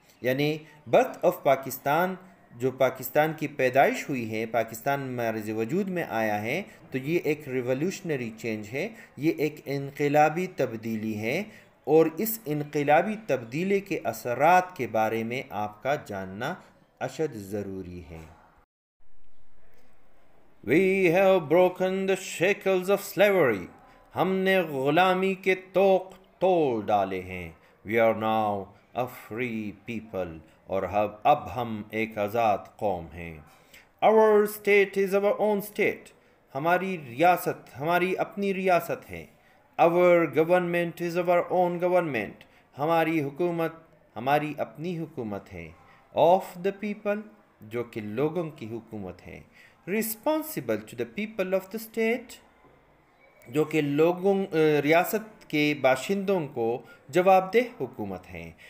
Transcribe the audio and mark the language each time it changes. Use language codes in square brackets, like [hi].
[ur] یعنی birth of Pakistan, جو پاکستان کی پیدائش ہوئی ہے, پاکستان مرز وجود میں آیا ہے, تو یہ ایک ریولیوشنری چینج ہے, یہ ایک انقلابی تبدیلی ہے, اور اس انقلابی تبدیلی کے اثرات کے بارے میں آپ کا جاننا اشد ضروری ہے. [en] We have broken the shackles of slavery. [ur] ہم نے غلامی کے توق توڑ ڈالے ہیں. [en] We are now a free people. [ur] اور اب ہم ایک آزاد قوم ہیں. [en] Our state is our own state. [ur] ہماری ریاست ہماری اپنی ریاست ہے. [en] Our government is our own government. [ur] ہماری حکومت ہماری اپنی حکومت ہے. [en] Of the people, [ur] جو کہ لوگوں کی حکومت ہے. [en] Responsible to the people of the state, [ur] جو کہ لوگوں ریاست کے باشندوں کو جواب دہ حکومت ہیں.